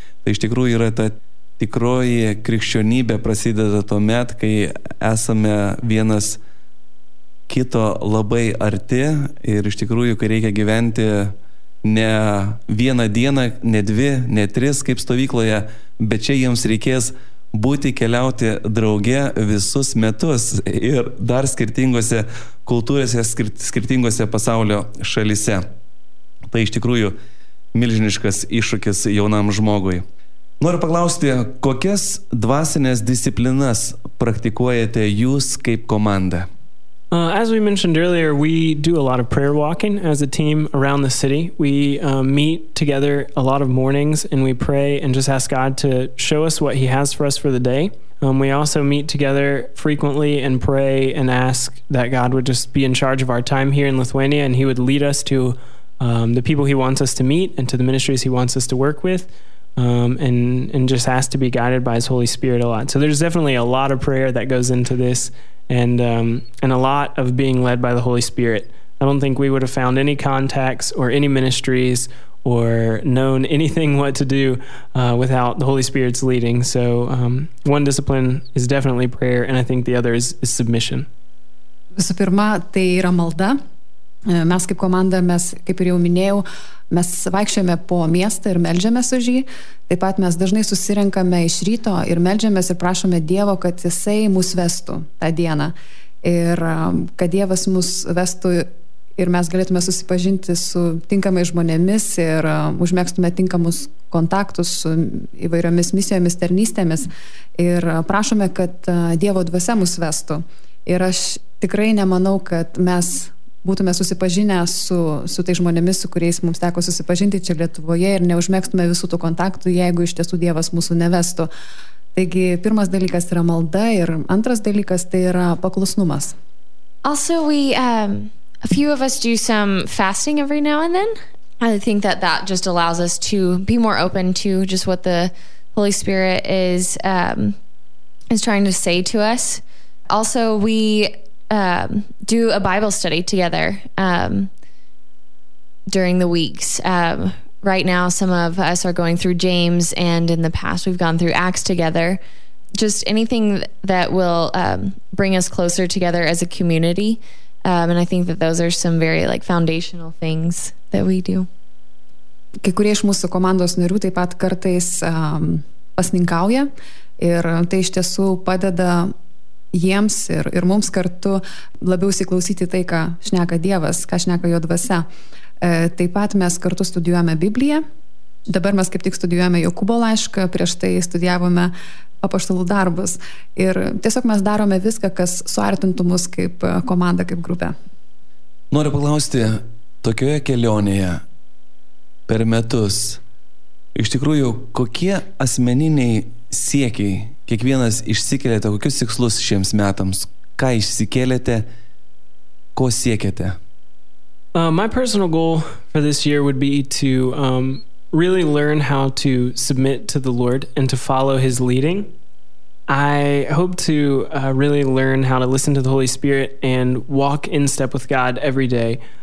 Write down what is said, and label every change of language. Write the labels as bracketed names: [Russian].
[Lithuanian] Tai iš tikrųjų yra ta tikroji krikščionybė prasideda tuomet, kai esame vienas kito labai arti ir iš tikrųjų, kai reikia gyventi ne vieną dieną, ne 2, ne 3 kaip stovykloje, bet čia jiems reikės būti keliauti drauge visus metus ir dar skirtingose kultūrose, skirtingose pasaulio šalyse. Tai iš tikrųjų milžiniškas iššūkis jaunam žmogui. Noriu paklausti, kokias dvasinės disciplinas praktikuojate jūs kaip komanda? [English] As we mentioned earlier, we do a lot of prayer walking as a team around the city. We meet together a lot of mornings and we pray and just ask God to show us what he has for us for the day. We also meet together frequently and pray and ask that God would just be in charge of our time here in Lithuania and he would lead us to the people he wants us to meet and to the ministries he wants us to work with and just ask to be guided by his Holy Spirit a lot. So there's definitely a lot of prayer that goes into this. And a lot of being led by the Holy Spirit. I don't think we would have found any contacts or any ministries or known anything what to do without the Holy Spirit's leading. So one discipline is definitely prayer, and I think the other is submission. [Lithuanian] Visų pirma, tai yra malda. Mes kaip komanda, mes, kaip ir jau minėjau, mes vaikščiojame po miestą ir meldžiamės už jį. Taip pat mes dažnai susirenkame iš ryto ir meldžiamės ir prašome Dievo, kad jisai mus vestų tą dieną. Ir kad Dievas mus vestų ir mes galėtume susipažinti su tinkamais žmonėmis ir užmėgstume tinkamus kontaktus su įvairiomis misijomis, tarnystėmis. Ir prašome, kad Dievo dvasia mus vestų. Ir aš tikrai nemanau, kad mes būtume susipažinę su tais žmonėmis, su kuriais mums teko susipažinti čia Lietuvoje ir neužmėgstume visų tų kontaktų, jeigu iš tiesų Dievas mūsų nevestų. Taigi, pirmas dalykas yra malda ir antras dalykas tai yra paklusnumas. [English] Also, a few of us do some fasting every now and then. I think that that just allows us to be more open to just what the Holy Spirit is trying to say to us. Also, we do a Bible study together during the weeks. Right now, some of us are going through James, and in the past, we've gone through Acts together. Just anything that will bring us closer together as a community. And I think that those are some very like foundational things that we do. [Lithuanian] Kai kurie iš mūsų komandos narių taip pat kartais pasninkauja, ir tai iš tiesų padeda jiems ir mums kartu labiau įsiklausyti tai, ką šneka Dievas, ką šneka jo dvasia. Taip pat mes kartu studijuojame Bibliją. Dabar mes kaip tik studijuojame Jokūbo laišką, prieš tai studijavome apaštalų darbus. Ir tiesiog mes darome viską, kas suartintų mus kaip komanda, kaip grupė. Noriu paklausti, tokioje kelionėje per metus, iš tikrųjų, kokie asmeniniai siekiai kiekvienas išsikėlėte, kokius tikslus šiems metams, ką išsikėlėte, ko siekėte? [English] My personal goal for this year would be to really learn how to submit to the Lord and to follow His leading. I hope to really learn how to listen to the Holy Spirit and walk in step with God every day.